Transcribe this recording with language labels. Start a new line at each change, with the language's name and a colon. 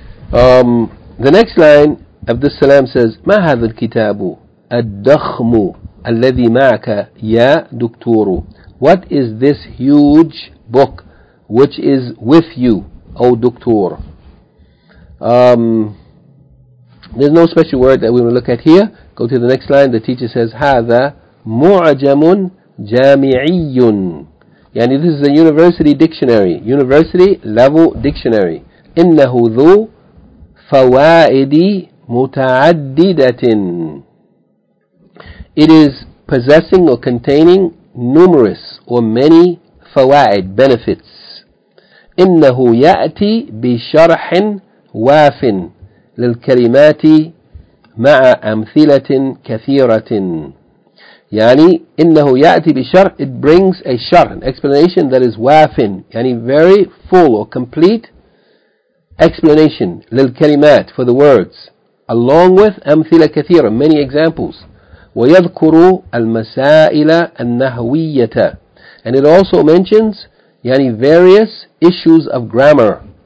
English: The next line, Abdus Salam says,
Arabic: ما هذا الكتاب الدخم الذي معك يا دكتور?
English: What is this huge book which is with you, O doctor? There's no special word that we will look at here. Go to the next line. The teacher says,
Arabic: هذا معجم جامعي.
English: يعني this is a university dictionary. University level dictionary.
Arabic: إنه ذو فوائد متعددة.
English: It is possessing or containing numerous or many فوائد, benefits.
Arabic: إنه يأتي بشرح واف للكلمات مع أمثلة كثيرة. يعني إنه يأتي بشرح,
English: it brings a sharh, an explanation that is wafin, يعني very full or complete explanation, للكلمات, for the words, along with
Arabic: أمثلة كثيرة,
English: many examples.
Arabic: ويذكر المسائل النهوية,
English: and it also mentions يعني various issues of grammar.